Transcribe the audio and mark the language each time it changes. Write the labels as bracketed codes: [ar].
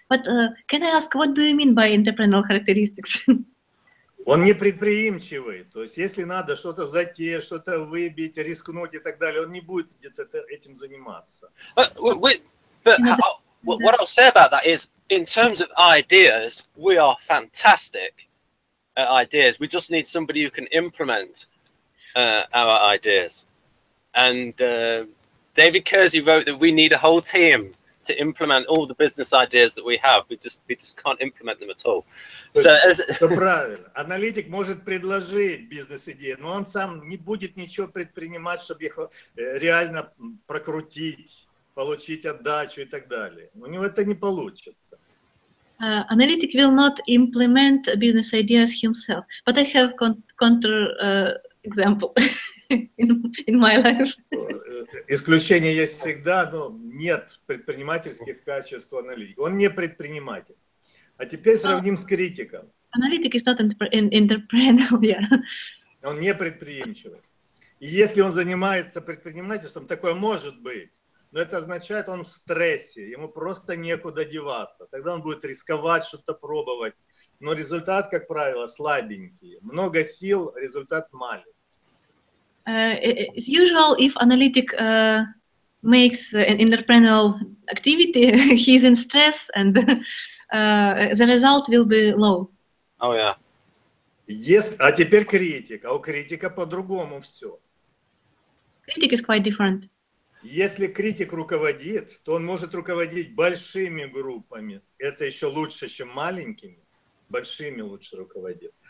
[en] But can I ask, what do you mean by entrepreneurial characteristics? [ru] Он не предприимчивый. То есть, если надо что-то затеять, что-то выбить, рискнуть и так далее, он не будет где-то этим заниматься. [en] But what I'll say about that is, in terms of ideas, we are fantastic at ideas. We just need somebody who can implement our ideas. And David Kersey wrote that we need a whole team to implement all the business ideas that we have. We just can't implement them at all. So [ru] правильно. Аналитик может предложить бизнес-идеи, но он сам не будет ничего предпринимать, чтобы их реально прокрутить, получить отдачу и так далее. У него это не получится. [en] Analytic will not implement business ideas himself, but I have counter example in my life. [ru] Исключение есть всегда, но нет предпринимательских качеств аналитика. Он не предприниматель. А теперь сравним с критиком. [en] Analytic is not entrepreneurial, yeah. [ru] Он не предприимчивый. И если он занимается предпринимательством, такое может быть. Но это означает, он в стрессе, ему просто некуда деваться. Тогда он будет рисковать, что-то пробовать. Но результат, как правило, слабенький. Много сил, результат маленький. [en] As usual, if analytic makes an entrepreneurial activity, he's in stress, and the result will be low. Oh, yeah. Yes, [ru] а теперь критик. А у критика по-другому все. [en] Critic is quite different. [ru] Если критик руководит, то он может руководить большими группами. Это еще лучше, чем маленькими. Большими лучше руководит.